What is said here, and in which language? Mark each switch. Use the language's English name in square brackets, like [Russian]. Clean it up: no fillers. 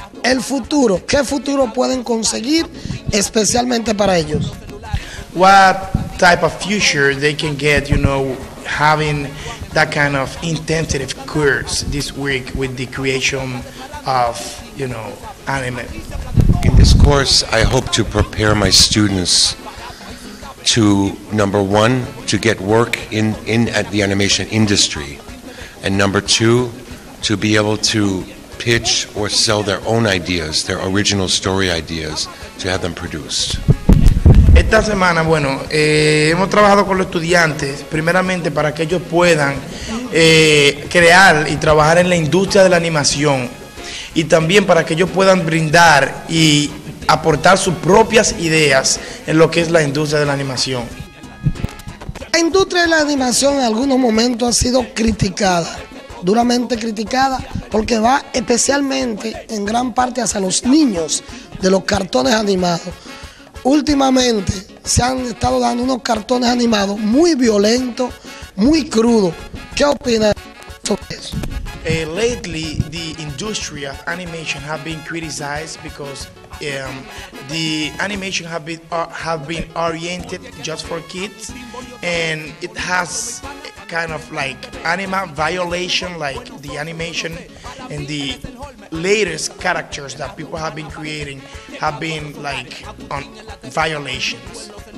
[Spanish] El futuro, ¿qué futuro pueden conseguir especialmente para ellos? [English] What type of future they can get, you know, having that kind of intensive course this week with the creation of, you know, anime. In this course, I hope to prepare my students to, number one, to get work in at the animation industry, and number two, to be able to pitch or sell their own ideas, their original story ideas, to have them produced. [Spanish] Esta semana, bueno, hemos trabajado con los estudiantes, primeramente para que ellos puedan crear y trabajar en la industria de la animación, y también para que ellos puedan brindar y aportar sus propias ideas en lo que es la industria de la animación. La industria de la animación en algunos momentos ha sido criticada, duramente criticada, porque va especialmente en gran parte hacia los niños de los cartones animados. Últimamente se han estado dando unos cartones animados muy violentos, muy crudos. ¿Qué opinas sobre eso? [English] Lately, the industry of animation has been criticized because the animation have been oriented just for kids, and it has kind of like anima violation, like the animation and the latest characters that people have been creating have been like on violations.